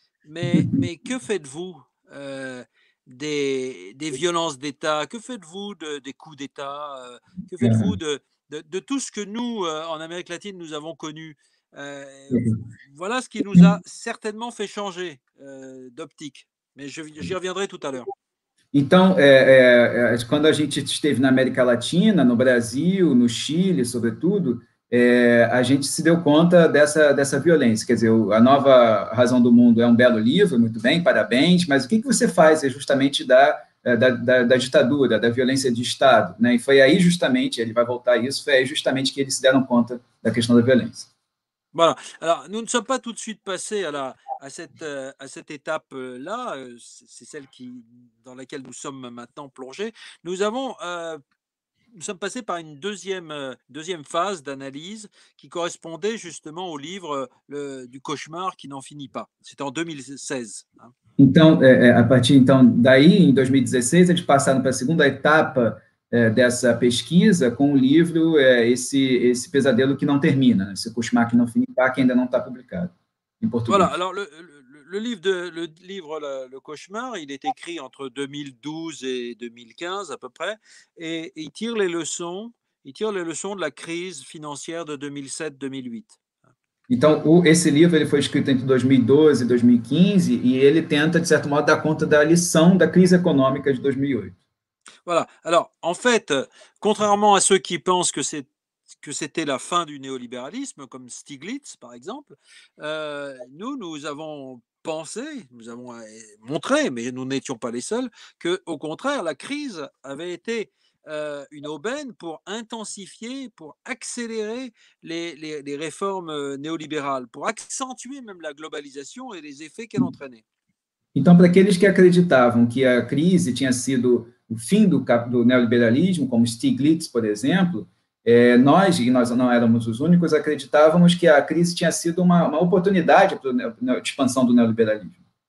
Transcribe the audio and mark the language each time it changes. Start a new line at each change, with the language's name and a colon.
French: Mais que faites-vous des violences d'État? Que faites-vous des coups d'État? Que faites-vous de tout ce que nous, en Amérique latine, nous avons connu. Voilà ce qui nous a certainement fait changer d'optique. Mais j'y reviendrai tout à l'heure.
Portuguese: Então, quando a gente esteve na América Latina, no Brasil, no Chile, sobretudo, a gente se deu conta dessa violência. Quer dizer, A Nova Razão do Mundo é um belo livro, muito bem, parabéns, mas o que que você faz é justamente da ditadura, da violência de Estado, né? E foi aí justamente, ele vai voltar a isso, foi aí justamente que eles se deram conta da questão da violência.
French: Voilà. Alors, nous ne sommes pas tout de suite passés à cette étape-là, c'est celle dans laquelle nous sommes maintenant plongés. Nous sommes passés par une deuxième phase d'analyse qui correspondait justement au livre du cauchemar qui n'en finit pas. C'était en 2016, hein.
Portuguese: Então, a partir então daí, em 2016, eles passaram para a segunda etapa dessa pesquisa com o livro esse Pesadelo que não termina, esse Cauchemar que não finita, que ainda não está publicado em
French: Voilà,
Portuguese: português.
French: alors le livre, le cauchemar, il est écrit entre 2012 et 2015 à peu près, et il tire les leçons de la crise financière de 2007-2008.
Portuguese: Então, esse livro ele foi escrito entre 2012 e 2015 e ele tenta, de certo modo, dar conta da lição da crise econômica de 2008.
French: Voilà, alors en fait, contrairement à ceux qui pensent que c'était la fin du néolibéralisme, comme Stiglitz, par exemple, nous, nous avons pensé, nous avons montré, mais nous n'étions pas les seuls, qu'au contraire, la crise avait été une aubaine pour intensifier, pour accélérer les réformes néolibérales, pour accentuer même la globalisation et les effets qu'elle entraînait.
Portuguese: Então, para aqueles que acreditavam que a crise tinha sido o fim do neoliberalismo, como Stiglitz, por exemplo, nós não éramos os únicos, acreditávamos que a crise tinha sido uma oportunidade para a expansão do neoliberalismo.